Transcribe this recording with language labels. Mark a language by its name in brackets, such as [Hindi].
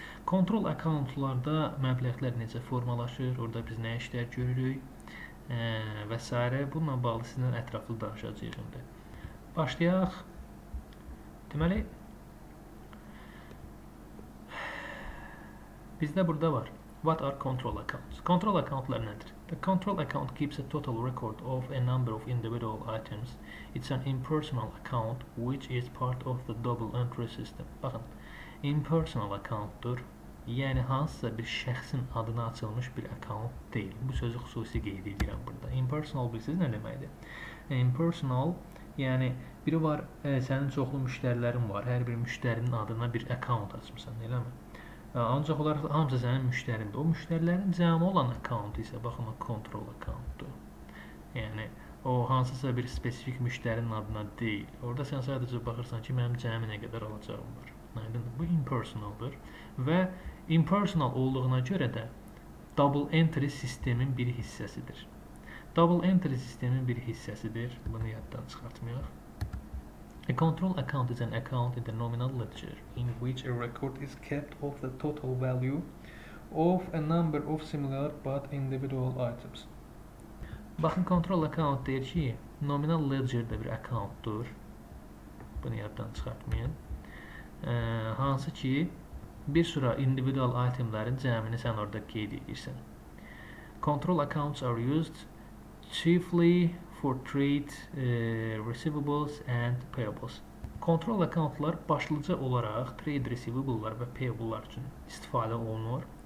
[Azerbaijani] Control accountlarda məbləğlər necə formalaşır, orada biz nə işlər görürük və s. Bununla bağlı sizinlə ətraflı danışacağıq indi. Başlayaq. Deməli, bizdə burada var. [English] What are control accounts? [Azerbaijani] Control accountlar nədir? [English] The control account keeps a total record of a number of individual items. It's an impersonal account which is part of the double entry system. [Azerbaijani] Baxın, impersonal accountdur. Yəni, hansısa bir şəxsin adına açılmış bir account deyil. Bu sözü xüsusi qeyd edirəm burada. Impersonal bilirsiniz nə deməkdir? Impersonal, yəni biri var, sənin çoxlu müştərilərin var. Hər bir müştərinin adına bir account açmışsan, elə mi? Ancaq olaraq hamısı sənin müştərindir. O müştərilərin cəmi olan account isə, baxın, o control accountdur. Yəni, o hansısa bir spesifik müştərinin adına deyil. Orada sən sadəcə baxırsan ki, mənim cəmi nə qədər alacağım var. Bu impersonaldır və impersonal olduğuna görə də double entry sistemin bir hissəsidir. Double entry sistemin bir hissəsidir. Bunu yaddan çıxartmayaq. [English] A control account is an account in the nominal ledger in which a record is kept of the total value of a number of similar but individual items. [Azerbaijani] Baxın, control account deyir ki, nominal ledger də bir accountdur. Bunu yaddan çıxartmayın. Hansı ki, bir sıra individual itemlərin cəmini sən orada qeyd edirsən. [English] Control accounts are used chiefly for trade receivables and payables. [Azerbaijani] Control accountlar başlıca olaraq trade receivable-lar və payable-lar üçün istifadə olunur.